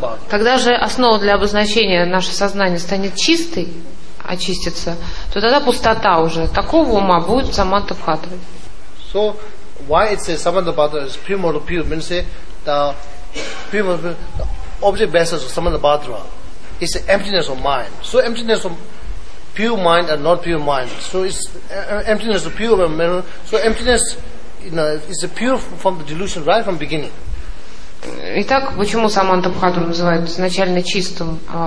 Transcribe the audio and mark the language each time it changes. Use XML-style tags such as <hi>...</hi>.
<ru>Когда же основа для обозначения наше сознание станет чистой, очистится, то тогда пустота уже такого ума будет Самандабхадрой.</ru> <en>So why it says Samandabhadra is primordial pure means the primordial the object basis of Samandabhadra is the emptiness of mind. So emptiness of pure mind and not pure mind. So it's emptiness of pure mind. So emptiness. No, it's a pure from the delusion right from beginning.</en> <ru>Итак, почему Самандабхадру называют изначально чистым?</ru>